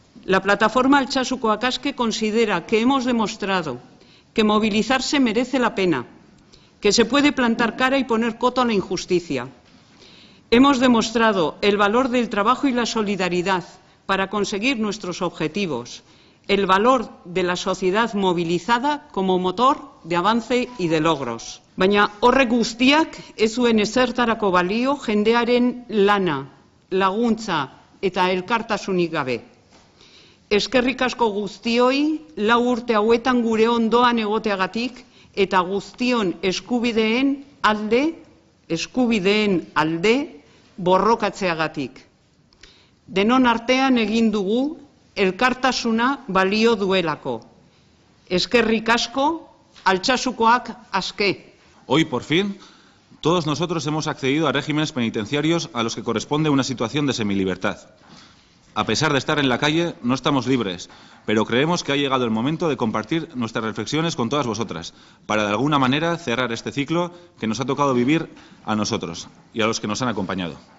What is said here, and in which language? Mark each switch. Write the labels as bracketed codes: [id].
[es] La plataforma Altsasu Coacaske considera que hemos demostrado que movilizarse merece la pena, que se puede plantar cara y poner coto a la injusticia. Hemos demostrado el valor del trabajo y la solidaridad para conseguir nuestros objetivos, el valor de la sociedad movilizada como motor de avance y de logros. [eu] Baina horrek guztiak ez zuen ezertarako balio jendearen lana, laguntza eta elkartasunik gabe. Eskerrik asko guztioi, lau urte hauetan gure ondoan egoteagatik eta guztion eskubideen alde borrokatzeagatik. Denon artean egin dugu elkartasuna balio duelako. Eskerrik asko, Altsasukoak aske. [es] Hoy, por fin, todos nosotros hemos accedido a regímenes penitenciarios a los que corresponde una situación de semilibertad. A pesar de estar en la calle, no estamos libres, pero creemos que ha llegado el momento de compartir nuestras reflexiones con todas vosotras, para de alguna manera cerrar este ciclo que nos ha tocado vivir a nosotros y a los que nos han acompañado.